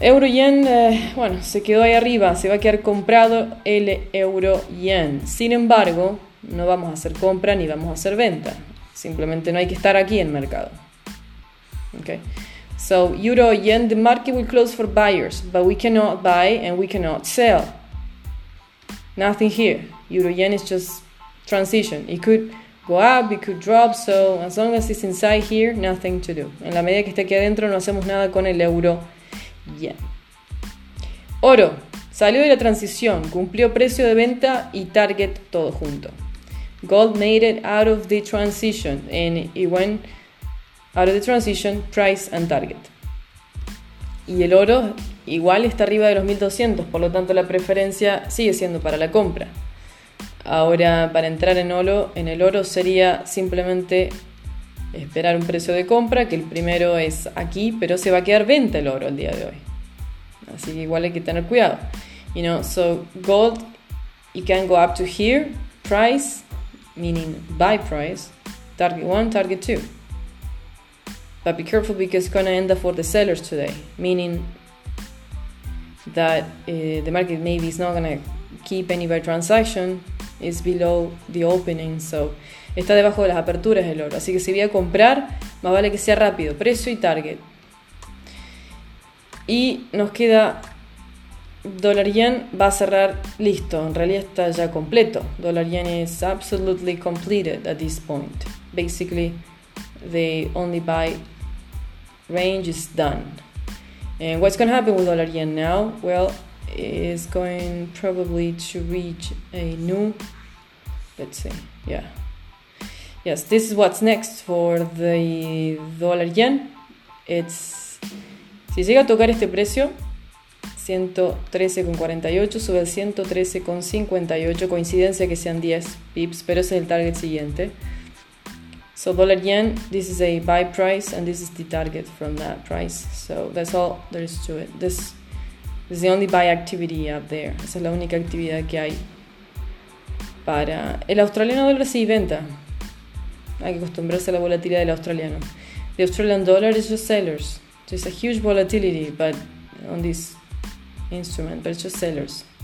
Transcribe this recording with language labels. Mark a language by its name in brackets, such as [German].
[Spanish] Euro yen, bueno, se quedó ahí arriba, se va a quedar comprado el euro yen. Sin embargo, no vamos a hacer compra ni vamos a hacer venta. Simplemente no hay que estar aquí en mercado. [English] Okay. So, euro yen, the market will close for buyers, but we cannot buy and we cannot sell. Nothing here. Euro yen is just transition. It could go up, it could drop, so as long as it's inside here, nothing to do. [Spanish] En la medida que esté aquí adentro, no hacemos nada con el euro yen. Oro salió de la transición, cumplió precio de venta y target todo junto. [English] Gold made it out of the transition and it went out of the transition, price and target. [Spanish] Y el oro igual está arriba de los 1200, por lo tanto la preferencia sigue siendo para la compra. Ahora, para entrar en el oro sería simplemente esperar un precio de compra, que el primero es aquí, pero se va a quedar venta el oro el día de hoy. Así que igual hay que tener cuidado. [English] You know, so gold, it can go up to here, price, meaning buy price, target 1, target 2. But be careful because it's going to end up for the sellers today, meaning that the market maybe is not going to keep any buy transaction, is below the opening, so está debajo de las aperturas el oro. [Spanish] Así que si voy a comprar, más vale que sea rápido, precio y target. Y nos queda dólar yen, va a cerrar listo, en realidad está ya completo. [English] Dólar yen is absolutely completed at this point. Basically, the only buy range is done. And what's going to happen with dollar yen now? Well, it's going probably to reach a new, let's see, yeah. Yes, this is what's next for the dollar yen. [Spanish] It's, si llega a tocar este precio, 113.48, sube al 113.58, coincidencia que sean 10 pips, pero ese es el target siguiente. [English] So dollar yen, this is a buy price, and this is the target from that price. So that's all there is to it. This is the only buy activity up there. [Spanish] Esa es la única actividad que hay para... El australiano dólar sí, venta. Hay que acostumbrarse a la volatilidad del australiano. [English] The Australian dollar is just sellers. There's a huge volatility but on this instrument, but it's just sellers.